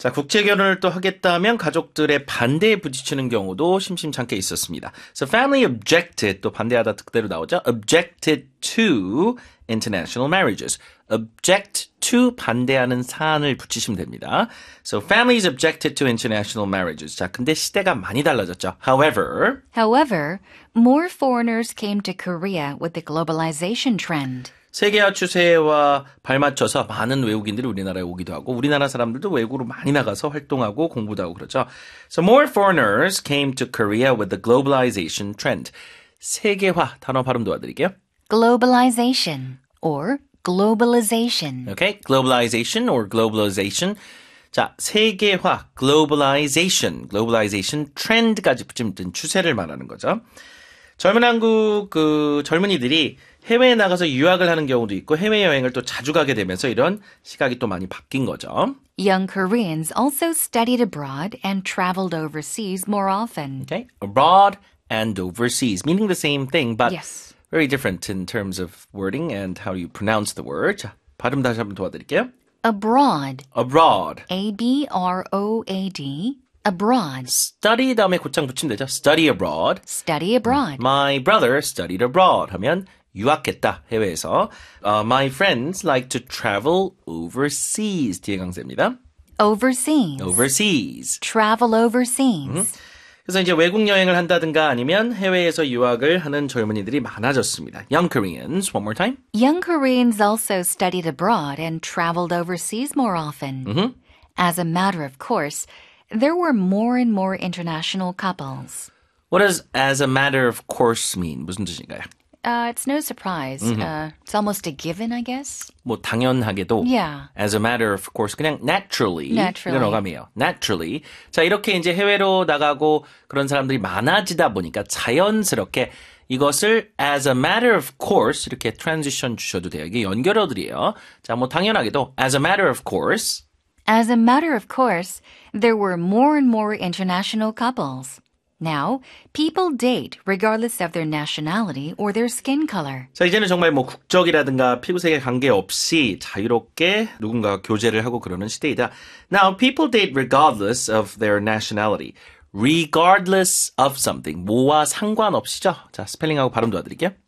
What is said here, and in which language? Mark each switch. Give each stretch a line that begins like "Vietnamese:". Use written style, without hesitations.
Korean: 자, 국제 결혼을 또 하겠다면 가족들의 반대에 부딪히는 경우도 심심찮게 있었습니다.
English: So family objected,
Korean: 또 반대하다 특대로 나오죠.
English: Objected to international marriages.
Korean: Object to 반대하는 사안을 붙이시면 됩니다.
English: So families objected to international marriages.
Korean: 자, 근데 시대가 많이 달라졌죠.
English: However, more foreigners came to Korea with the globalization trend.
Korean: 세계화 추세와 발맞춰서 많은 외국인들이 우리나라에 오기도 하고 우리나라 사람들도 외국으로 많이 나가서 활동하고 공부도 하고 그러죠.
English: So more foreigners came to Korea with the globalization trend.
Korean: 세계화 단어 발음 도와드릴게요.
English: Globalization or globalization. Okay, globalization or globalization.
Korean: 자, 세계화, globalization, globalization trend까지 붙이면 추세를 말하는 거죠. 젊은 한국 그 젊은이들이 해외에 나가서 유학을 하는 경우도 있고 해외여행을 또 자주 가게 되면서 이런 시각이 또 많이 바뀐 거죠.
English: Young Koreans also studied abroad and traveled overseas more often. Okay, abroad and overseas, meaning the same thing, but yes. very different in terms of wording and how you pronounce the word.
Korean: 자, 발음 다시 한번 도와드릴게요.
English: Abroad. Abroad. A-B-R-O-A-D. Abroad.
Korean: Study 다음에 곧장 붙이면 되죠. Study abroad.
English: Study abroad. My brother studied abroad
Korean: 하면 유학했다, 해외에서.
English: My friends like to travel overseas.
Korean: 뒤에 강세입니다.
English: Overseas. Overseas. Travel overseas.
Korean: 그래서 이제 외국 여행을 한다든가 아니면 해외에서 유학을 하는 젊은이들이 많아졌습니다.
English: Young Koreans, one more time. Young Koreans also studied abroad and traveled overseas more often. Mm-hmm. As a matter of course, there were more and more international couples. What does as a matter of course mean?
Korean: 무슨 뜻인가요?
English: It's no surprise. Mm-hmm. It's almost a given, I guess.
Korean: 뭐 당연하게도.
English: Yeah. As a matter of course, 그냥 naturally. Naturally.
Korean: 이런 어감이에요. Naturally. 자, 이렇게 이제 해외로 나가고 그런 사람들이 많아지다 보니까 자연스럽게 이것을 as a matter of course 이렇게 transition 주셔도 돼요. 이게 연결어들이에요. 자, 뭐 당연하게도 as a matter of course. As a matter of course, there were more and more international couples.
English: Now, people date regardless of their nationality or their skin color.
Korean: 자, 이제는 정말 뭐 국적이라든가 피부색에 관계없이 자유롭게 누군가와 교제를 하고 그러는 시대이다.
English: Now, people date regardless of their nationality. Regardless of something.
Korean: 뭐와 상관없이죠. 자, 스펠링하고 발음 도와드릴게요.